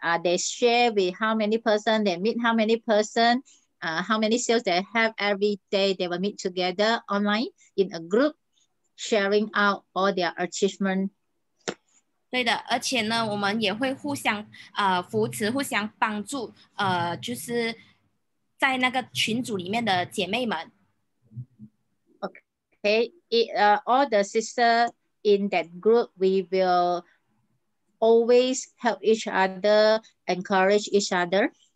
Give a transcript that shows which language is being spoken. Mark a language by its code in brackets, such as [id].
[en] They share with how many person they meet, how many person, how many sales they have every day. They will meet together online in a group, sharing out all their achievement. [zh] 对的，而且呢，我们也会互相扶持、互相帮助，就是在那个群组里面的姐妹们。 [en] Okay, all the sister in that group, we will always help each other, encourage each other.